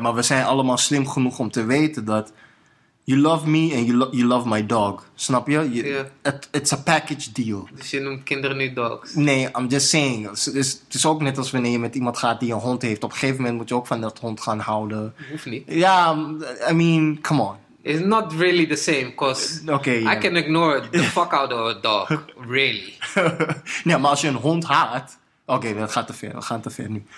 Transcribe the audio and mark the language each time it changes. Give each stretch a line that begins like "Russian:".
Dutch: Maar we zijn allemaal slim genoeg om te weten dat...
English: You love me and you love my dog.
Dutch: Snap je?
English: It's a package deal.
Dutch: Dus je noemt kinderen nu dogs?
English: Nee, I'm just saying.
Dutch: Het is ook net als wanneer je met iemand gaat die een hond heeft. Op een gegeven moment moet je ook van dat hond gaan houden. Hoeft niet.
English: Ja, I mean, come on. It's not really the same, because I can ignore the fuck out of a dog, really.
Dutch: Nee, maar als je een hond haat... Oké, dat gaat te ver, we gaan te ver nu.